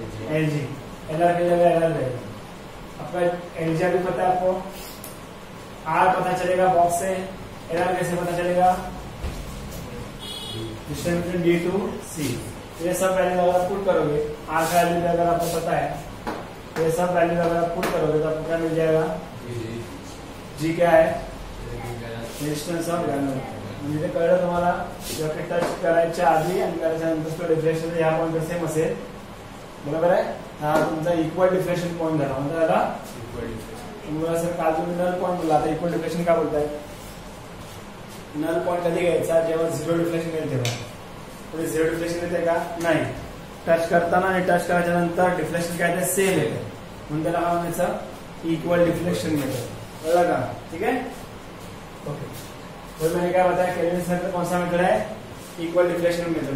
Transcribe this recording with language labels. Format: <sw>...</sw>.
<hi>L G, L R की जगह L R रहेगा, आपका एल जी भी पता है आपको, आर पता चलेगा बॉक्स से, एल आर कैसे पता चलेगा? डिस्टेंस बिटवीन डी टू सी, ये सब वैल्यू अगर आप पुट करोगे, आर का वैल्यू अगर आपको पता है, ये सब वैल्यू अगर आप पुट करोगे तो आपको क्या मिल जाएगा? जी क्या है?</hi> <mr>डिस्टेंस ऑफ गैल्वेनोमीटर, म्हणजे कळलं तुम्हाला? जॉकेट टच करायच्या आधी आणि करायच्या नंतर तो डिफ्लेक्शन या पॉइंट सेम असेल, बरोबर आहे? हा तुमचा इक्वल डिफ्लेक्शन पॉइंट झाला, म्हणजे झाला</mr> <en>Equal deflection.</en> <mr>तुम्हाला सर काजू नल पॉइंट बोलला, आता इक्वल डिफ्लेक्शन का बोलताय? नल पॉइंट कधी घ्यायचा? जेव्हा झिरो डिफ्लेक्शन येईल तेव्हा। म्हणजे झिरो डिफ्लेक्शन येते का? नाही, टच करताना आणि टच करायच्या नंतर डिफ्लेक्शन काय ते सेम येते, म्हणून त्याला काय म्हणायचं? इक्वल डिफ्लेक्शन येतं, कळलं का? ठीक आहे, ओके।</mr> <hi>मैंने क्या बताया, केल्विन सेंटर कौन सा मीटर है? Equal deflection metre.</hi>